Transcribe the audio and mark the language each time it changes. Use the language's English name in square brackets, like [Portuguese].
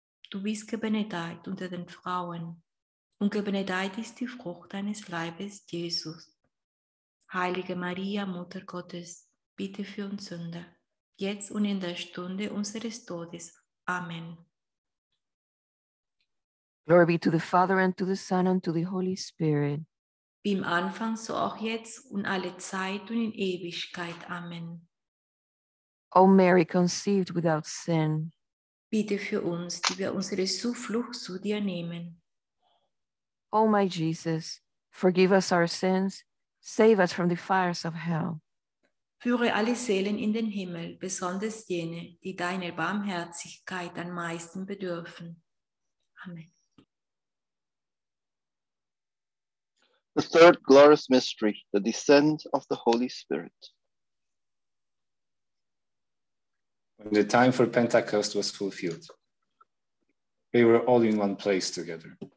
[German] Du bist gebenedeit unter den Frauen, und gebenedeit ist die Frucht deines Leibes, Jesus. Heilige Maria, Mutter Gottes, bitte für uns Sünder, jetzt und in der Stunde unseres Todes. Amen. [English] Glory be to the Father, and to the Son, and to the Holy Spirit. [German] Wie im Anfang, so auch jetzt und alle Zeit und in Ewigkeit. Amen. [English] O Mary, conceived without sin, [German] bitte für uns, die wir unsere Zuflucht zu dir nehmen. [English] O my Jesus, forgive us our sins, save us from the fires of hell. [German] Führe alle Seelen in den Himmel, besonders jene, die deiner Barmherzigkeit am meisten bedürfen. Amen. [English] The third glorious mystery, the descent of the Holy Spirit. When the time for Pentecost was fulfilled, they were all in one place together.